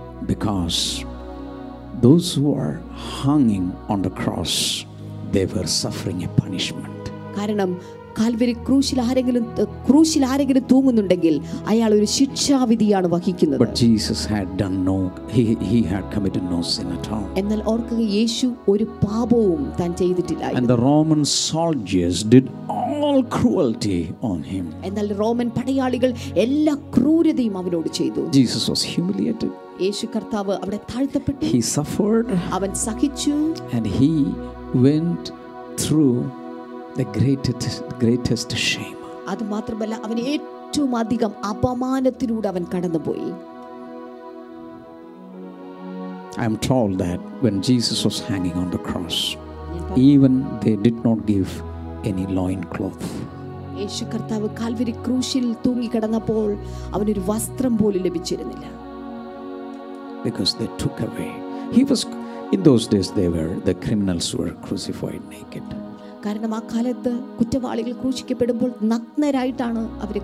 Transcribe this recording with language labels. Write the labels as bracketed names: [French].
[English] Because those who are ഹാങ്ങിങ് on the cross they were suffering A punishment. [Malayalam] കാരണം Calvary ക്രൂശിൽ ആരെങ്കിലും തൂങ്ങുന്നുണ്ടെങ്കിൽ അയാൾ ഒരു ശിക്ഷാവിധിയാണ് വഹിക്കുന്നത്. [English] But Jesus had done no, he had committed no sin at all. [Malayalam] എന്നാൽ ഓർക്കുക, യേശു ഒരു പാപവും താൻ ചെയ്തിട്ടില്ല. [English] And the Roman soldiers did all cruelty on him. [Malayalam] എന്നാൽ റോമൻ പടയാളികൾ എല്ലാ ക്രൂരതയും അവനോട് ചെയ്തു. [English] Jesus was humiliated. [Malayalam] യേശു കർത്താവ് അവിടെ താഴ്ത്തപ്പെട്ടു. [English] He suffered. [Malayalam] അവൻ സഹിച്ചു. [English] And he went through the greatest shame. [Malayalam] അത് മാത്രമല്ല, അവൻ ഏറ്റവും അധികം അപമാനത്തിലൂടെ അവൻ കടന്നുപോയി. [English] I am told that when Jesus was hanging on the cross, even they did not give any loin cloth. [Malayalam] യേശു കർത്താവ് കാൽവരി ക്രൂശിൽ തൂങ്ങി കിടന്നപ്പോൾ അവന് ഒരു വസ്ത്രം പോലും ലഭിച്ചിരുന്നില്ല. [English] Because they took away. He was in those days they were the criminals were crucified naked. [Malayalam] കാരണം ആ കാലത്ത് കുറ്റവാളികൾ ക്രൂശിക്കപ്പെടുമ്പോൾ നഗ്നരായിട്ടാണ് അവരെ